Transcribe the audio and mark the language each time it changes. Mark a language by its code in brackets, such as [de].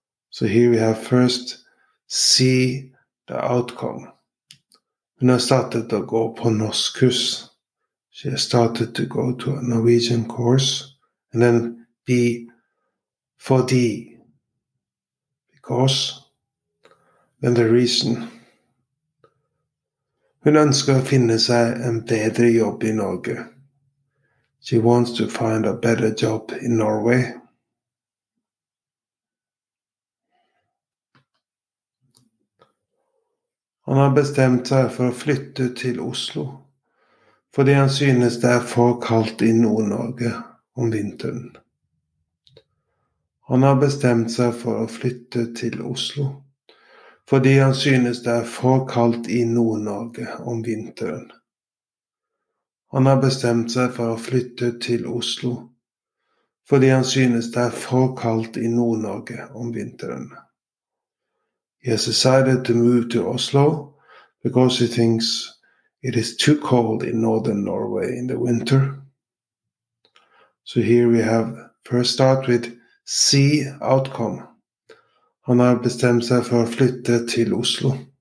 [en] So here we have first C, the outcome. [no] Hun har startet å gå på norskkurs. [en] She has started to go to a Norwegian course. And then B, for D, because, then the reason. [no] Hun ønsker å finne seg en bedre jobb i Norge. [en] She wants to find a better job in Norway. [no] Han har bestemt seg for å flytte til Oslo, fordi han synes det for kaldt i Nord-Norge om vinteren. Han har bestemt seg for å flytte til Oslo. Fordi han synes det for kaldt i Nord-Norge om vinteren. Han har bestemt seg for å flytte til Oslo. Fordi han synes det for kaldt i Nord-Norge om vinteren. [en] He has decided to move to Oslo because he thinks it is too cold in northern Norway in the winter. So here we have first start with C, outcome. [no] Han har bestemt seg for å flytte til Oslo.